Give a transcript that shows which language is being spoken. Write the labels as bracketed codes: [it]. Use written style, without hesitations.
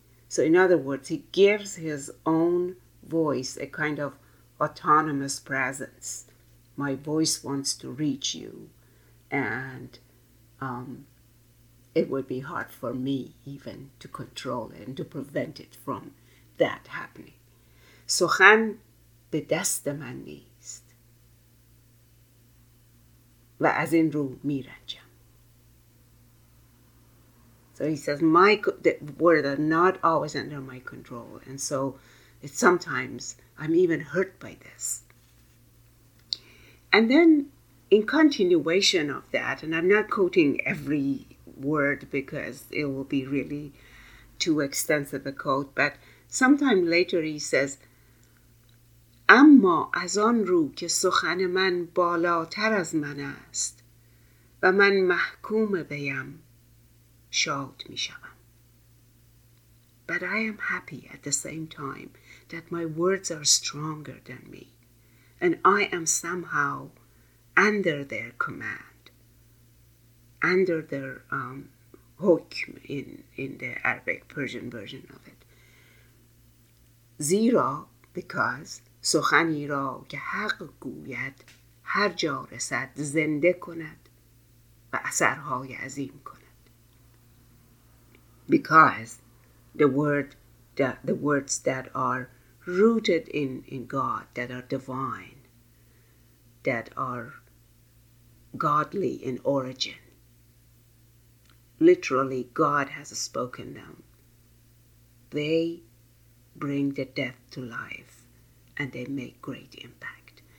[en] So in other words, he gives his own voice a kind of autonomous presence. My voice wants to reach you, and it would be hard for me even to control it and to prevent it from that happening. [fa] سخن به دست من نیست و از این رو می رنجم. [en] So he says, the words are not always under my control, and so it's sometimes I'm even hurt by this. And then in continuation of that, and I'm not quoting every word because it will be really too extensive a quote, but sometime later he says, [fa] اما از آن رو که سخن من بالاتر از من است و من محکوم بیم شاد می شوم. [en] But I am happy at the same time that my words are stronger than me and I am somehow under their command. Under their hukm in the Arabic Persian version of it. [fa] Zira, [en] because [fa] سخنی را که حق گوید هر جا رسد زنده کند و اثرهای عظیم کند. [en] Because the words that are rooted in God, that are divine, that are godly in origin. Literally, God has spoken them. They bring the death to life and they make great impact.